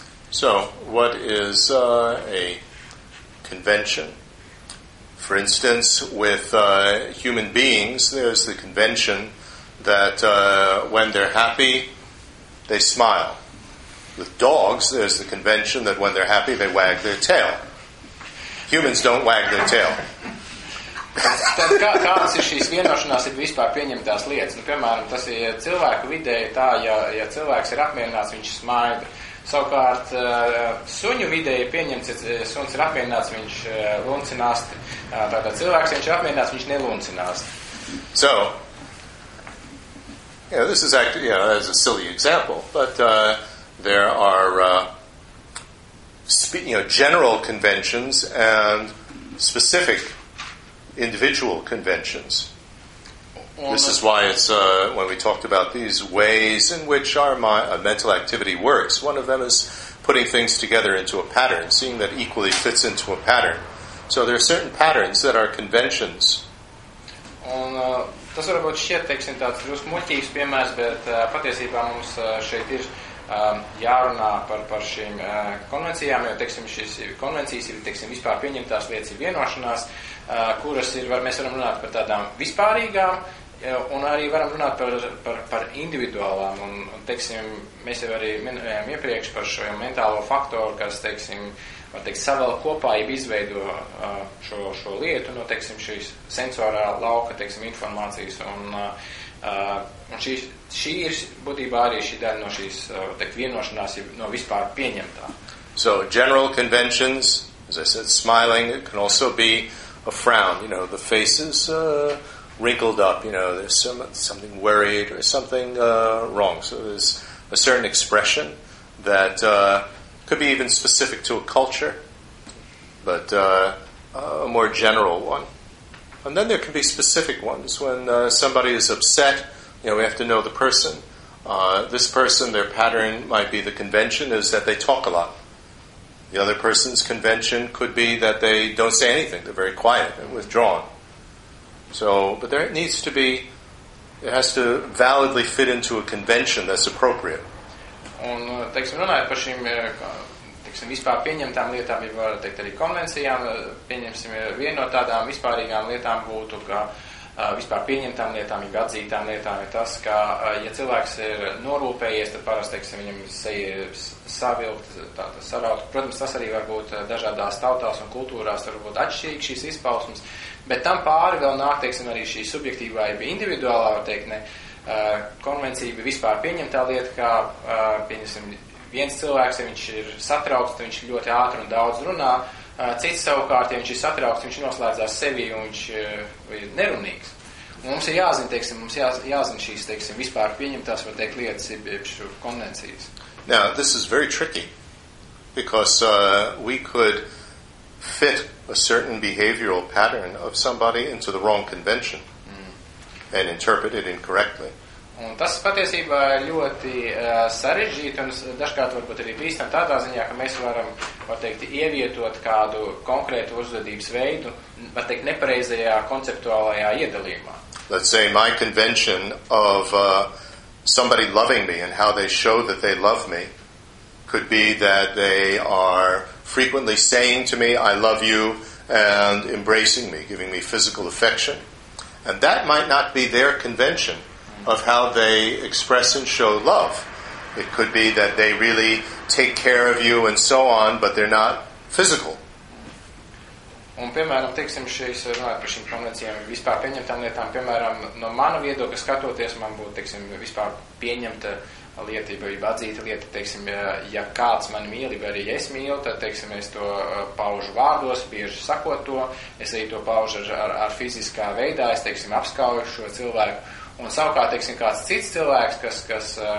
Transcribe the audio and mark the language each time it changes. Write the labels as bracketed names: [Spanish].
[English] So, what is a convention? For instance, with human beings, there's the convention that when they're happy, they smile. With dogs, there's the convention that when they're happy, they wag their tail. Humans don't wag their tail. [Latvian] Tad kādas ir šīs vienošanās ir vispār pieņemtās lietas? Nu, piemēram, tas ir cilvēku vidēji tā, ja cilvēks ir apmierināts, viņš smaida. Savukārt, suņu vidēji pieņemts, ja suns ir apmierināts, viņš luncinās. Tātad cilvēks, viņš ir apmierināts, viņš neluncinās. [English] So, you know, this is actually, you know, that's a silly example, but there are general conventions and specific individual conventions. This is why it's when we talked about these ways in which our mental activity works. One of them is putting things together into a pattern, seeing that equally fits into a pattern. So there are certain patterns that are conventions. [Latvian] Un tas varbūt šķiet, teiksim, tāds drusku muļķīgs piemērs, bet patiesībā mums šeit ir jārunā par šīm konvencijām, jo, teiksim, šīs konvencijas ir, teiksim, vispār pieņemtās lietas ir vienošanās, kuras ir, mēs varam runāt par tādām vispārīgām, un arī varam runāt par individuālām, un, teiksim, mēs jau arī minējām iepriekš par šo mentālo faktoru, kas, teiksim, var teikt, savēl kopā jau izveido šo lietu, no, teiksim, šīs sensorā lauka, teiksim, informācijas, un šī ir būtībā arī šī daļa no šīs, teikt, vienošanās no vispār pieņemtā. [English] So, general conventions, as I said, smiling, it can also be a frown, you know, the face is wrinkled up, you know, there's something worried or something wrong. So there's a certain expression that could be even specific to a culture, but a more general one. And then there can be specific ones when somebody is upset, you know, we have to know the person. This person, their pattern might be the convention is that they talk a lot. The other person's convention could be that they don't say anything. They're very quiet and withdrawn. So, but there needs to be, it has to validly fit into a convention that's appropriate. [Latvian] Un, teiksim, runājot par šīm, teiksim, vispār pieņemtām lietām, ja varu teikt arī konvencijām, pieņemsim, viena no tādām vispārīgām lietām būtu, ka vispār pieņemtām lietām, ja atzītām lietām ir tas, ka, ja cilvēks ir norūpējies, tad parasti, teiksim, viņam seja savilkt, tāda sarauta. Protams, tas arī var būt dažādās tautās un kultūrās, tur var būt atšķirīgs šīs izpausmes, bet tam pāri vēl nāk, teiksim, arī šī subjektīvā, ja bija individuālā, var teikt, ne, konvencija bija vispār pieņemtā lieta, kā, pieņemsim, viens cilvēks, ja viņš ir satraukts, viņš ļoti ātri un daudz runā, cits savukārt, ja viņš ir satraukts, viņš noslēdzās sevī un viņš ir nerunīgs. Un mums ir jāzina, teiksim, mums jāzina šīs, teiksim, vispār pieņemtās, var teikt, lietas šo konvencijas. [English] Now, this is very tricky, because we could fit a certain behavioral pattern of somebody into the wrong convention and interpret it incorrectly. [Latvian] Un tas patiesībā ļoti sarežģīti un dažkārt varbūt arī bīstam tādā ziņā, ka mēs varam, var teikt, ievietot kādu konkrētu uzvedības veidu, var teikt, nepareizajā konceptuālajā iedalījumā. [English] Let's say my convention of somebody loving me and how they show that they love me could be that they are frequently saying to me, I love you, and embracing me, giving me physical affection. And that might not be their convention of how they express and show love. It could be that they really take care of you and so on, but they're not physical. [Latvian] Un, piemēram, teiksim, šeis runāju par šīm konvencijām vispār pieņemtām lietām, piemēram, no mana viedokļa skatoties, man būtu, teiksim, vispār pieņemta lietība, vai atzīta lieta, teiksim, ja kāds mani mīli, vai arī ja es mīlu, tad, teiksim, es to paužu vārdos, bieži sakot to, es arī to paužu ar fiziskā veidā, es, teiksim, apskaužu šo cilvēku, un savukārt, teiksim, kāds cits cilvēks, kas